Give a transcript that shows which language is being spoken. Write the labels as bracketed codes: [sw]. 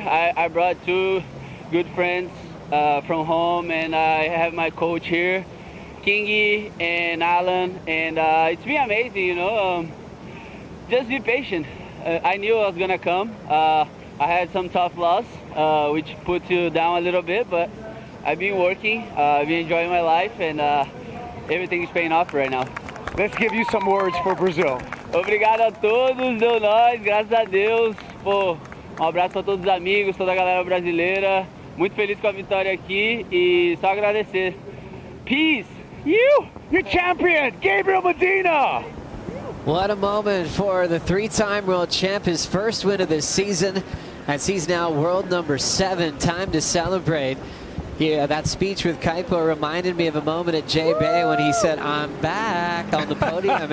[en] I brought two good friends from home, and I have my coach here, Kingy and Alan, and it's been amazing, you know. Just be patient. I knew I was gonna come. I had some tough loss, which put you down a little bit, but I've been working, I've been enjoying my life, and everything is paying off right now. Let's give you some words for Brazil. [pt] Obrigado a todos, deu nós, graças a Deus. Pô, um abraço a todos os amigos, toda a galera brasileira. Muito feliz com a vitória aqui e só agradecer. [en] Peace! Your champion, Gabriel Medina! What a moment for the three-time world champ, his first win of this season, as he's now world number 7. Time to celebrate. Yeah, that speech with Kaipo reminded me of a moment at Jay Bay when he said, I'm back on the podium.